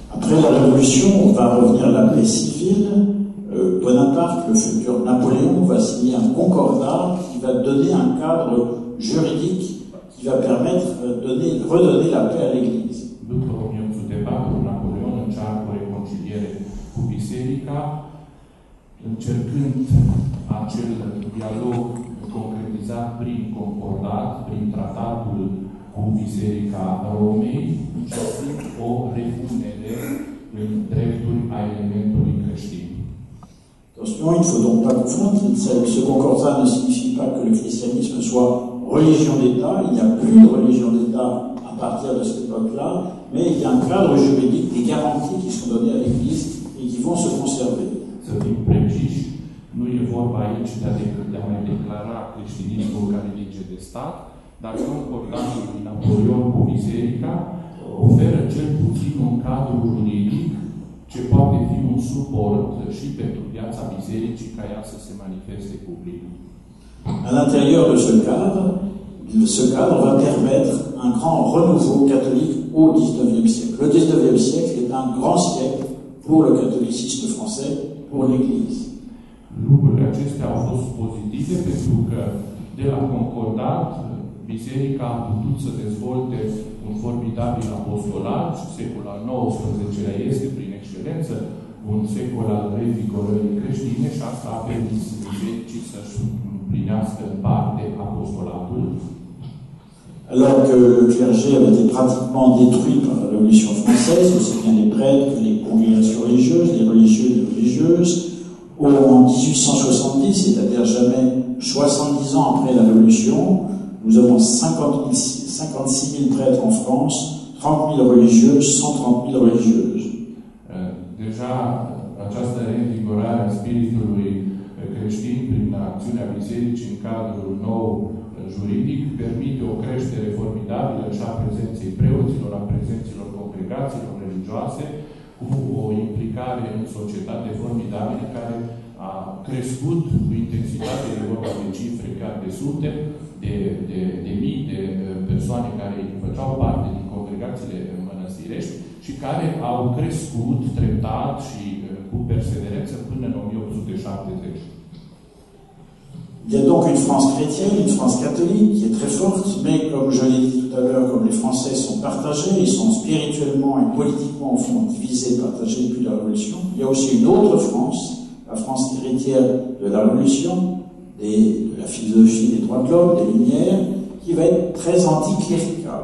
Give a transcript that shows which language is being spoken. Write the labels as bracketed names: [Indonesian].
[French] Après la Révolution, va revenir la paix civile. Bonaparte, le futur Napoléon, va signer un concordat qui va donner un cadre juridique qui va permettre de redonner la paix à l'Église. [Romanian] După 1804, Napoléon încearcă o reconciliere cu biserica, încercând acel dialog concretizat prin concordat, prin tratatul cu Biserica Romei, încercând o refundere în drepturi a elementului creștin. [French] Attention, il ne faut donc pas confondre, ce concordat ne signifie pas que le christianisme soit religion d'État, il n'y a plus de religion d'État à partir de cette époque-là, mais il y a un cadre juridique, des garanties qui sont données à l'Église et qui vont se conserver. [Romanian] Să fim preciși, nu e vorba aici de a mai declara creștinismul ca religie de stat, dar concordatul din Napoleon cu Biserica oferă cel puțin un cadru juridic ce poate fi un suport și pentru viața bisericii ca ea să se manifeste public. [French] À l'intérieur de ce cadre va permettre un grand renouveau catholique au 19e siècle. Le 19e siècle est un grand siècle pour le catholicisme français, pour l'Église. [Romanian] Lucrurile acestea au fost pozitive pentru că de la concordat biserica a putut să dezvolte un formidabil apostolat și secolul al XIX-lea este prin excelență un secol al revigorării creștine și asta a permis bisericii să-și împlinească în parte apostolatul. [French] Alors que le clergé avait été pratiquement détruit par la Révolution française, aussi bien les prêtres que les congrégations religieuses, les religieux et les religieuses, en 1870, c'est-à-dire jamais 70 ans après la Révolution, nous avons 56 000 prêtres en France, 30 000 religieux, 130 000 religieuses. [Romanian] Déjà, această revigorare a spiritului creștin prin acțiunea bisericii în cadrul nou juridic permite o creștere formidabilă și a prezenței preoților, a prezenților congregațiilor religioase, cu o implicare în societate formidabilă care a crescut cu intensitate de vorba de cifre chiar de sute, de mii de persoane care făceau parte din congregațiile mănăstirești și care au crescut treptat și cu perseverență până în 1870. [French] Il y a donc une France chrétienne, une France catholique qui est très forte, mais comme je l'ai dit tout à l'heure, comme les Français sont partagés, ils sont spirituellement et politiquement au fond divisés, partagés depuis la Révolution, il y a aussi une autre France, la France héritière de la Révolution, de la philosophie des droits de l'homme, des Lumières, qui va être très anticléricale.